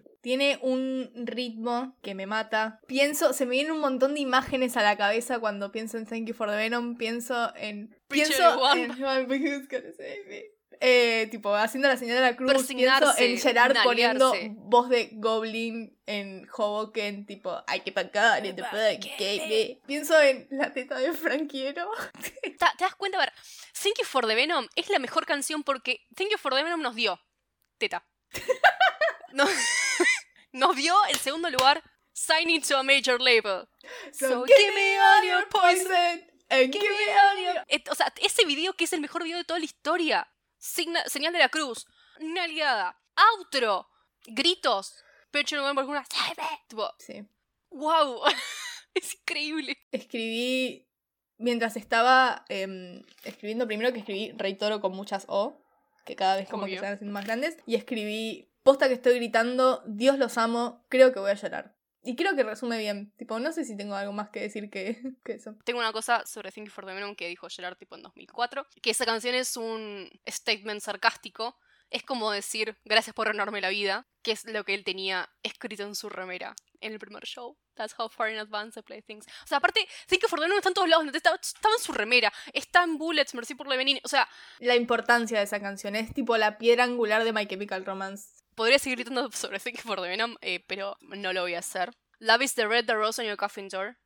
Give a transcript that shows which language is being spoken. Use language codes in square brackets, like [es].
[es] Tiene un ritmo que me mata. Pienso, se me vienen un montón de imágenes a la cabeza cuando pienso en Thank You for the Venom. Pienso en... tipo, haciendo la señal de la cruz. Pienso en Gerard poniendo voz de Goblin en Hoboken. Tipo, [en] I keep a gun in the book, baby. [es] Pienso en la teta de Frankiero. ¿Te das cuenta? A ver, Thank You for the Venom es la mejor canción porque Thank You for the Venom nos dio teta. No... Nos vio en segundo lugar [en] signing to a major label. So give me all your poison and give me all your... [es] O sea, ese video que es el mejor video de toda la historia. Señal de la cruz. Nalgada. Outro. Gritos. Pecho no por una... Tipo, sí. Wow. Es increíble. Escribí... Mientras estaba escribiendo, primero que escribí Rey Toro con muchas O, que cada vez como que están haciendo más grandes, y escribí... Posta que estoy gritando, Dios los amo, creo que voy a llorar. Y creo que resume bien. Tipo, no sé si tengo algo más que decir que eso. Tengo una cosa sobre Thank You for the Venom que dijo Gerard tipo en 2004. Que esa canción es un statement sarcástico. Es como decir, gracias por honrarme la vida. Que es lo que él tenía escrito en su remera en el primer show. [en] That's how far in advance I play things. [es] O sea, aparte, Thank You for the Venom está en todos lados. Estaba en su remera. Está en Bullets, Mercy por Lemonine. O sea, la importancia de esa canción es tipo la piedra angular de My Chemical Romance. Podría seguir gritando sobre Thank You for the Venom, pero no lo voy a hacer. [en] Love is the red, the rose on your coffin door.